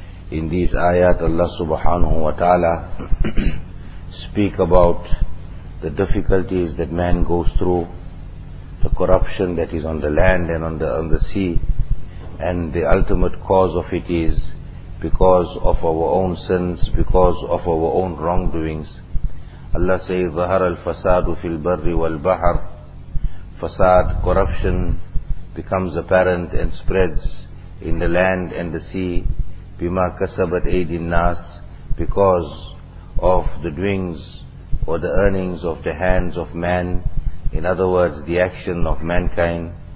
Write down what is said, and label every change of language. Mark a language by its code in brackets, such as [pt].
[en] In these ayat, Allah subhanahu wa ta'ala speak about the difficulties that man goes through, the corruption that is on the land and on the sea, and the ultimate cause of it is because of our own sins, because of our own wrongdoings. [ar] Allah says, ظَهَرَ الْفَسَادُ فِي الْبَرِّ وَالْبَحَرِ. [en] Fasad, corruption, becomes apparent and spreads in the land and the sea. [ar] Bima kasabat aidin nas, [en] because of the doings or the earnings of the hands of man, in other words, the action of mankind.